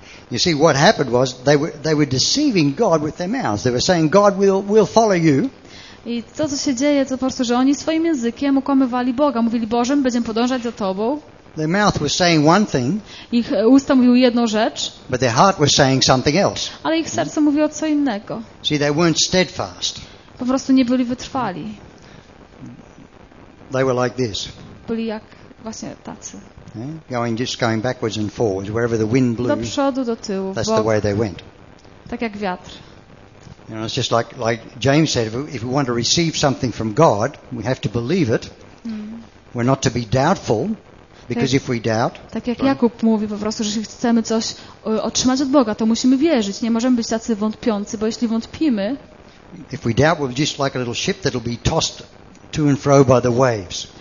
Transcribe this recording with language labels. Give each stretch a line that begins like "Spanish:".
English: You see, what happened was they were deceiving God with their mouths. They were saying, God will follow you.
Polish: I to, co się dzieje, to po prostu, że oni swoim językiem ukłamywali Boga. Mówili, Boże, my będziemy podążać za Tobą.
English: Their mouth was saying one thing.
Polish: Ich usta mówiły jedną rzecz.
English: But their heart was saying something else.
Polish: Ale ich serce mówiło co innego.
English: See, they weren't steadfast.
Polish: Po prostu nie byli wytrwali.
English: They were like this.
Polish: Byli jak właśnie tacy.
English: Yeah, going backwards and forwards, wherever the wind blew.
Polish: Do przodu, do tyłu.
English: That's the way they went.
Polish: Tak jak wiatr.
English: You know, it's just like James said, if we want to receive something from God, we have to believe it. We're not to be doubtful, because if we doubt.
Polish: Tak jak Jakub mówi po prostu, że jeśli chcemy coś otrzymać od Boga, to musimy wierzyć. Nie możemy być tacy wątpiący, bo jeśli wątpimy.
English: If we doubt, we're just like a little ship that'll be tossed to and fro by the waves.